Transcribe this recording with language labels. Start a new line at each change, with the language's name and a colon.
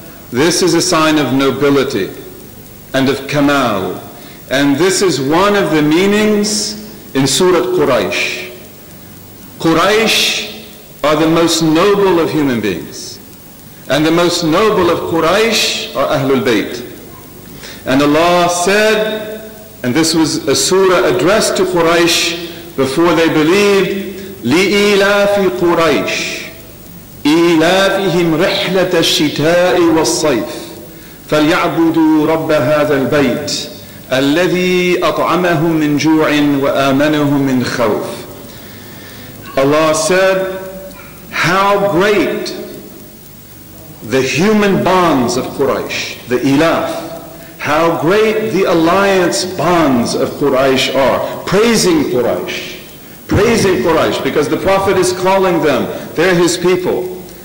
English: This is a sign of nobility and of kamal. And this is one of the meanings in Surah Quraysh. Quraysh are the most noble of human beings. And the most noble of Quraysh are Ahlul Bayt. And Allah said, and this was a surah addressed to Quraysh before they believed,
Arabic: لِإِلَافِ قُرَيْشِ إِلَافِهِمْ رِحْلَةَ الشِّتَاءِ وَالصَّيْفِ فَلْيَعْبُدُوا رَبَّ هَذَا الْبَيْتِ الَّذِي أَطْعَمَهُمْ مِنْ جُوعٍ وَآمَنَهُمْ مِنْ خَوْفٍ.
English: Allah said, how great the human bonds of Quraysh, the ilaf, how great the alliance bonds of Quraysh are, praising Quraysh, because the Prophet is calling them, they're his people.